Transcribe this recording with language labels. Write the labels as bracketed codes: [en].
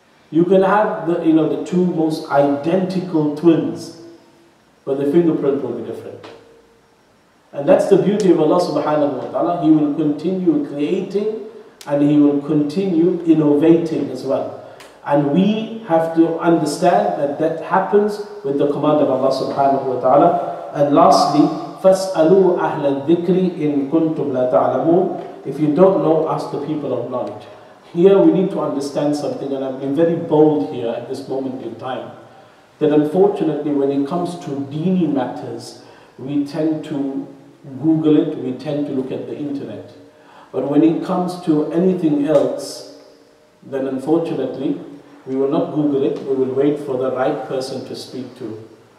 [en] You can have the two most identical twins, but the fingerprint will be different. And that's the beauty of Allah subhanahu wa ta'ala. He will continue creating and He will continue innovating as well. And we have to understand that that happens with the command of Allah subhanahu wa ta'ala. And lastly, [ar] فَاسْأَلُوا أَهْلَ الذِّكْرِ إِن كُنْتُمْ لَا تَعْلَمُونَ. [en] If you don't know, ask the people of knowledge. Here we need to understand something, and I've been very bold here at this moment in time, that unfortunately when it comes to dini matters, we tend to Google it, we tend to look at the internet. But when it comes to anything else, then unfortunately, we will not Google it, we will wait for the right person to speak to.